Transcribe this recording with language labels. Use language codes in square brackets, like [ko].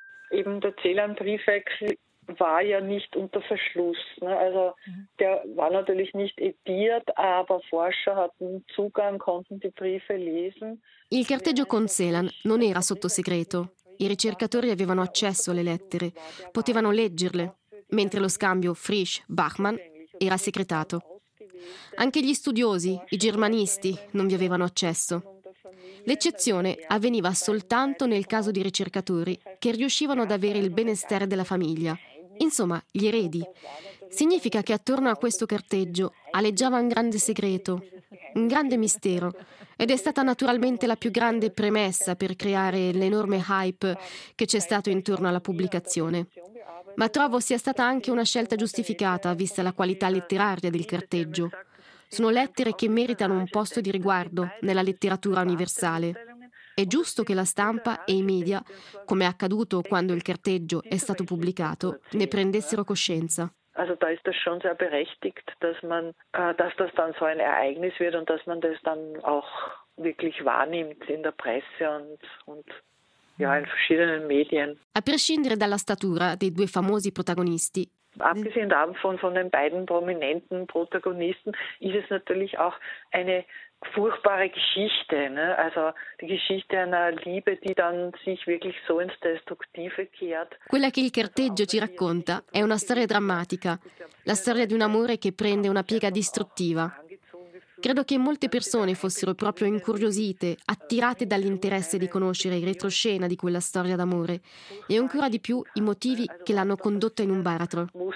[de] Eben der Zählernbriefwechsel war ja nicht unter Verschluss. Ne? Also der war natürlich nicht ediert, aber Forscher hatten Zugang, konnten die Briefe lesen. [it] Il carteggio con Celan non era sotto segreto. I ricercatori avevano accesso alle lettere, potevano leggerle, mentre lo scambio Frisch-Bachmann era segretato. Anche gli studiosi, i germanisti, non vi avevano accesso. L'eccezione avveniva soltanto nel caso di ricercatori che riuscivano ad avere il benestare della famiglia, insomma gli eredi. Significa che attorno a questo carteggio aleggiava un grande segreto, un grande mistero, ed è stata naturalmente la più grande premessa per creare l'enorme hype che c'è stato intorno alla pubblicazione. Ma trovo sia stata anche una scelta giustificata, vista la qualità letteraria del carteggio. Sono lettere che meritano un posto di riguardo nella letteratura universale. È giusto che la stampa e i media, come è accaduto quando il carteggio è stato pubblicato, ne prendessero coscienza. [de] Also da ist das schon sehr berechtigt, dass man dass das dann so ein Ereignis wird und dass man das dann auch wirklich wahrnimmt in der Presse und ja in verschiedenen Medien. [it] A prescindere dalla statura dei due famosi protagonisti. [de] Abgesehen davon von den beiden prominenten Protagonisten ist es natürlich auch eine furchtbare Geschichte, ne? Also die Geschichte einer Liebe, die dann sich wirklich so ins Destruktive kehrt. [it] Quella che il carteggio ci racconta è una storia drammatica, la storia di un amore che prende una piega distruttiva. Credo che molte persone fossero proprio incuriosite, attirate dall'interesse di conoscere il retroscena di quella storia d'amore e ancora di più i motivi che l'hanno condotta in un baratro.